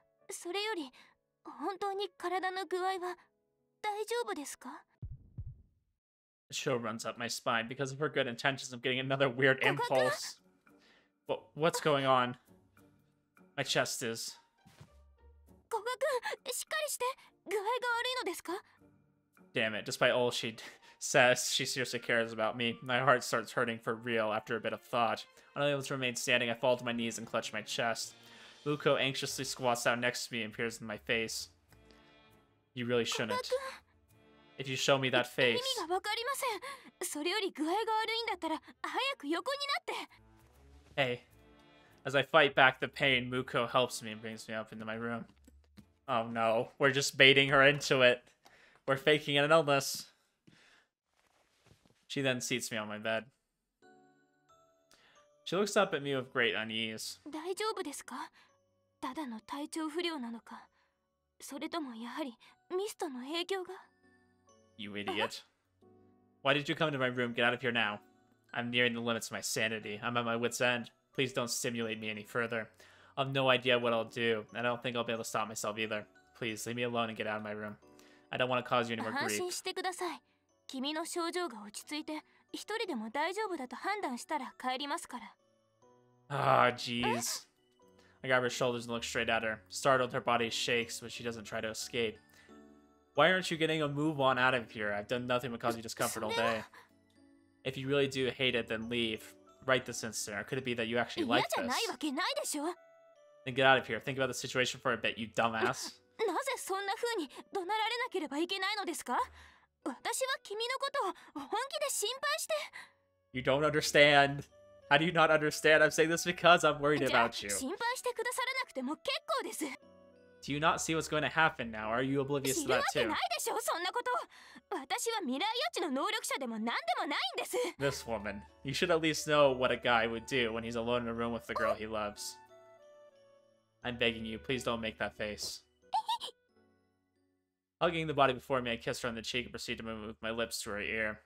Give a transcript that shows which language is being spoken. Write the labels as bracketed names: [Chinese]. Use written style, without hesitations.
[Japanese] それより本当に体の具合は大丈夫ですか? [English] Show runs up my spine because of her good intentions. I'm getting another weird impulse. What's going on? My chest is. [Japanese] Koga-kun, しっかりして。具合が悪いのですか? [English] Damn it! Despite all she says, she seriously cares about me. My heart starts hurting for real after a bit of thought. Unable to remain standing, I fall to my knees and clutch my chest. Muko anxiously squats down next to me and peers in my face. You really shouldn't. If you show me that face... [Japanese] 意味が分かりません。それより具合が悪いんだったら早く横になって。 [English] Hey. As I fight back the pain, Muko helps me and brings me up into my room. Oh no, we're just baiting her into it. We're faking an illness. She then seats me on my bed. She looks up at me with great unease. [Japanese] 大丈夫ですか? ただの体調不良なのか、それともやはりミストの影響が。 [English] You idiot. Why did you come into my room? Get out of here now. I'm nearing the limits of my sanity. I'm at my wit's end. Please don't stimulate me any further. I've no idea what I'll do, and I don't think I'll be able to stop myself either. Please, leave me alone and get out of my room. I don't want to cause you any more grief. [Japanese] 安心してください。君の症状が落ち着いて、一人でも大丈夫だと判断したら帰りますから。 [English] Ah, jeez. I grab her shoulders and look straight at her. Startled, her body shakes, but she doesn't try to escape. Why aren't you getting a move on out of here? I've done nothing but cause you discomfort all day. If you really do hate it, then leave. Write this instant. Could it be that you actually like this? [Japanese] 嫌じゃないわけないでしょ? [English] Then get out of here. Think about the situation for a bit, you dumbass. [Japanese] なぜそんな風に怒鳴られなければいけないのですか?私は君のことを本気で心配して。 [English] You don't understand. How do you not understand? I'm saying this because I'm worried about you. [Japanese] 心配してくださらなくても結構です。 [English] Do you not see what's going to happen now? Are you oblivious to that too? [Japanese] 知るわけないでしょ、そんなこと。私は未来予知の能力者でも何でもないんです。 [English] This woman. You should at least know what a guy would do when he's alone in a room with the girl he loves. I'm begging you, please don't make that face. Hugging the body before me, I kiss her on the cheek and proceed to move my lips to her ear.